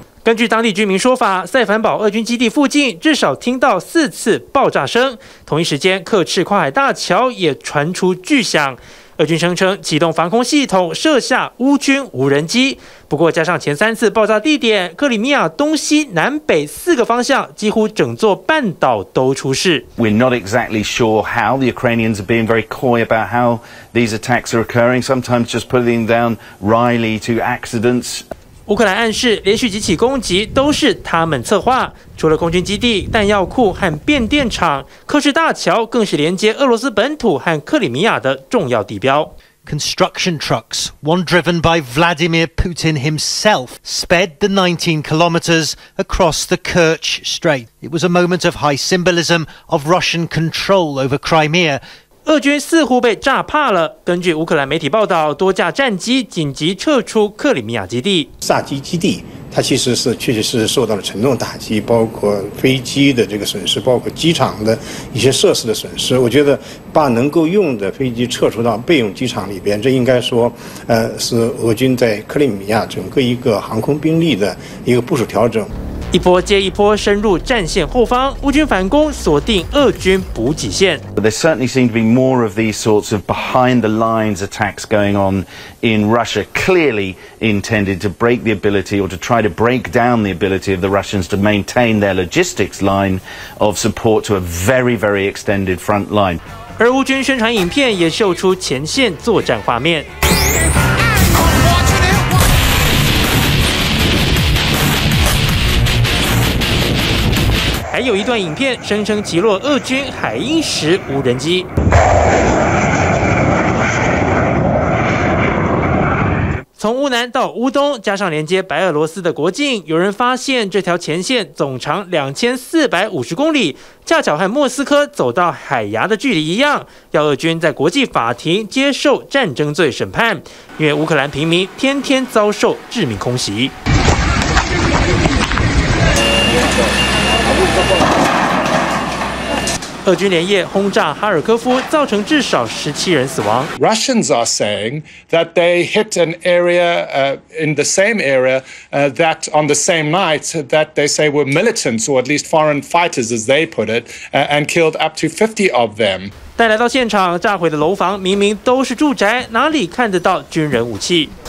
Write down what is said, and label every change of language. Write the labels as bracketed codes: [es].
[zh] 根据当地居民说法，塞凡堡俄军基地附近至少听到4次爆炸声。同一时间，克赤跨海大桥也传出巨响。俄军声称启动防空系统射下乌军无人机，不过加上前3次爆炸地点，克里米亚东西南北4个方向几乎整座半岛都出事。 [en] We're not exactly sure how the Ukrainians are being very coy about how these attacks are occurring. Sometimes just putting down Riley to accidents. [zh] 乌克兰暗示连续几起攻击都是他们策划，除了空军基地、弹药库和变电厂，克赤大桥更是连接俄罗斯本土和克里米亚的重要地标。 [en] Construction trucks, one driven by Vladimir Putin himself, sped the 19 kilometers across the Kerch Strait. It was a moment of high symbolism of Russian control over Crimea. [zh] 俄军似乎被炸怕了。根据乌克兰媒体报道，多架战机紧急撤出克里米亚基地。萨基基地，它其实是确实是受到了沉重打击，包括飞机的这个损失，包括机场的一些设施的损失。我觉得把能够用的飞机撤出到备用机场里边，这应该说，是俄军在克里米亚整个一个航空兵力的一个部署调整。一波接一波深入战线后方，乌军反攻锁定俄军补给线。 [en] There certainly seem to be more of these sorts of behind the lines attacks going on in Russia, clearly intended to break the ability or to try to break down the ability of the Russians to maintain their logistics line of support to a very, very extended front line. [zh] 而乌军宣传影片也秀出前线作战画面。还有一段影片声称击落俄军海鹰10无人机，从乌南到乌东，加上连接白俄罗斯的国境，有人发现这条前线总长2450公里，恰巧和莫斯科走到海牙的距离一样，要俄军在国际法庭接受战争罪审判，因为乌克兰平民天天遭受致命空袭。俄军连夜轰炸哈尔科夫，造成至少17人死亡。 [en] Russians are saying that they hit an area in the same area that on the same night that they say were militants or at least foreign fighters, as they put it, and killed up to 50 of them. [zh] 带来到现场，炸毁的楼房明明都是住宅，哪里看得到军人武器？